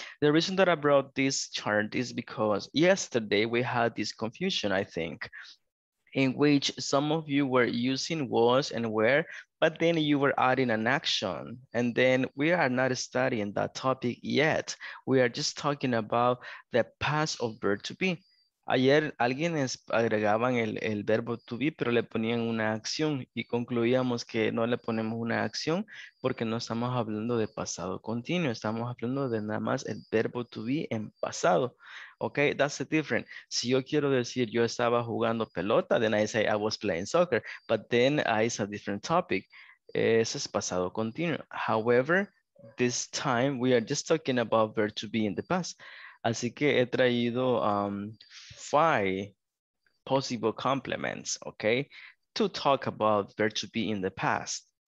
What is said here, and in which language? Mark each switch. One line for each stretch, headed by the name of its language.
English: The reason that I brought this chart is because yesterday we had this confusion, I think, in which some of you were using was and where, but then you were adding an action. And then we are not studying that topic yet. We are just talking about the past of verb to be.
Spanish: Ayer alguien agregaban el verbo to be, pero le ponían una acción y concluíamos que no le ponemos una acción porque no estamos hablando de pasado continuo, estamos hablando de nada más el verbo to be en pasado.
English: Okay, that's the difference.
Spanish: Si yo quiero decir yo estaba jugando pelota,
English: then I say I was playing soccer, but then it's a different topic.
Spanish: Eso es pasado continuo.
English: However, this time we are just talking about verb to be in the past.
Spanish: Así que he traído
English: five possible complements,
Spanish: okay, to talk about verb to be in the past.